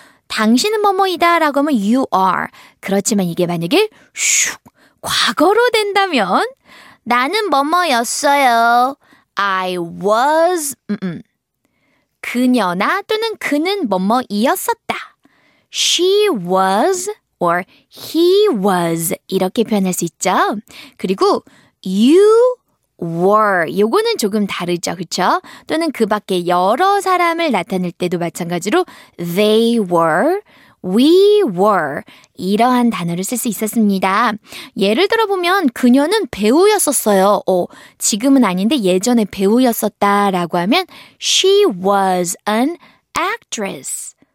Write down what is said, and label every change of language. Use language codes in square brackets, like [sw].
[ko] 당신은 뭐뭐이다 라고 하면 [en] you are. [ko] 그렇지만 이게 만약에 슉 과거로 된다면 나는 뭐뭐였어요. [en] I was. [ko] 그녀나 또는 그는 뭐뭐이었었다. [en] She was or he was [ko] 이렇게 표현할 수 있죠. 그리고 [en] you were [ko] 요거는 조금 다르죠. 그쵸? 또는 그 밖에 여러 사람을 나타낼 때도 마찬가지로 [en] they were, we were [ko] 이러한 단어를 쓸 수 있었습니다. 예를 들어보면 그녀는 배우였었어요. 지금은 아닌데 예전에 배우였었다 라고 하면 [en] she was an actress.